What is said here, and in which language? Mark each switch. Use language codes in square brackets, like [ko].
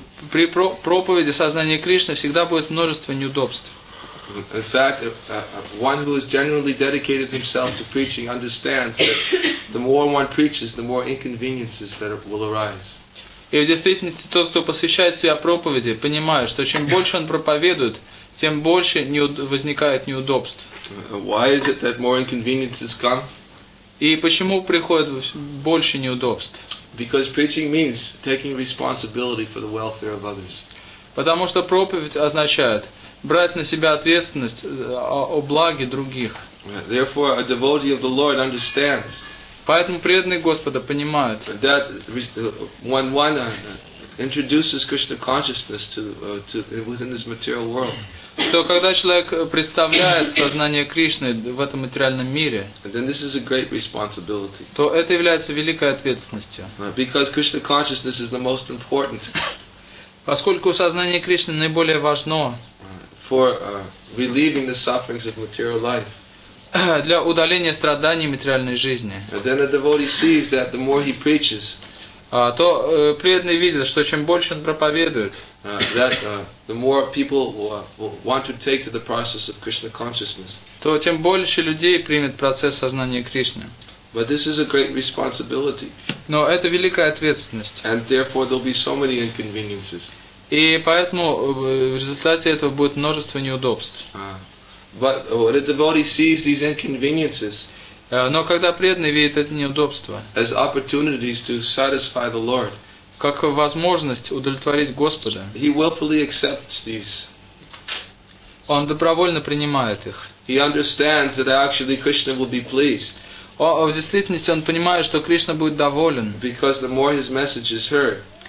[ru] При проповеди сознания Кришны всегда будет множество неудобств. [en] In fact, one who has genuinely dedicated himself to preaching understands that the more one preaches, the more inconveniences that will arise. [ru] И в действительности тот, кто посвящает себя проповеди, понимает, что чем больше он проповедует, тем больше возникает неудобств. [en] Why is it that more inconveniences come? [ru] И почему приходит больше неудобств? [en] Because preaching means taking responsibility for the welfare of others. [ru] Потому что проповедь означает брать на себя ответственность о благе других. [en] Therefore, a devotee of the Lord understands. [ru] Поэтому преданный Господа понимает. [en] That when one introduces Krishna consciousness to within this material world. [ru] Что когда человек представляет сознание Кришны в этом материальном мире, [en] then this is a great responsibility. [ru] То это является великой ответственностью. [en] Because Krishna consciousness is the most important. [ru] Поскольку сознание Кришны наиболее важно. [en] For relieving the sufferings of material life. [ru] Для удаления страданий материальной жизни. [en] And then a devotee sees that the more he preaches, [ru] то преданный видит, что чем больше он проповедует, [en] the more people will want to take to the process of Krishna consciousness. [ru] То тем больше людей примет процесс сознания Кришны. [en] But this is a great responsibility. [ru] Но это великая ответственность. [en] And therefore there'll be so many inconveniences. [ru] И поэтому в результате этого будет множество неудобств. [en] But when a devotee sees these inconveniences, [ru] но когда преданный видит это неудобство, [en] as opportunities to satisfy the Lord, [ru] как возможность удовлетворить Господа, [en] he willfully accepts these. [ru] Он добровольно принимает их. [en] He understands that actually Krishna will be pleased. [ru] В действительности он понимает, что Кришна будет доволен. [en] Because the more his message is heard,